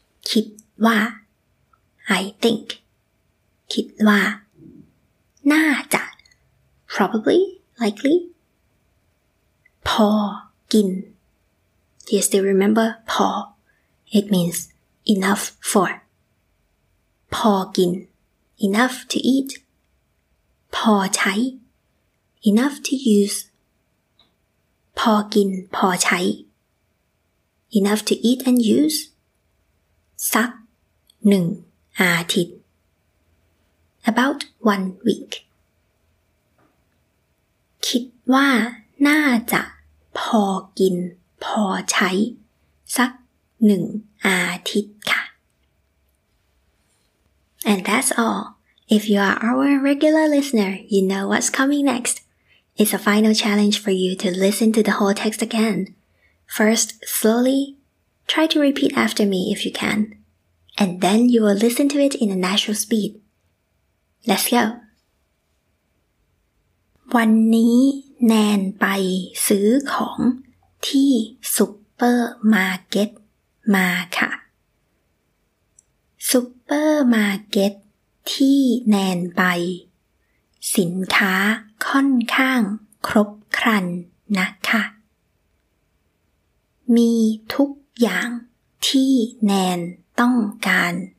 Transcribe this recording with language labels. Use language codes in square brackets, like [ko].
[en] คิดว่า I think คิดว่าน่าจะ probably likely พอกิน Do you still remember พอIt means enough for. พอกิน enough to eat. พอใช้ enough to use. พอกินพอใช้ enough to eat and use. สักหนึ่งอาทิตย์ about 1 week. [th] คิดว่าน่าจะพอกินพอใช้สักหนึ่งอาทิตย์ค่ะ [en] And that's all. If you are our regular listener, you know what's coming next. It's a final challenge for you to listen to the whole text again. First, slowly, try to repeat after me if you can. And then you will listen to it in a natural speed. Let's go. [th] วันนี้แนนไปซื้อของที่ซุปเปอร์มาร์เก็ตมาค่ะซุปเปอร์มาร์เก็ตที่แนนไปสินค้าค่อนข้างครบครันนะคะมีทุกอย่างที่แนนต้องการ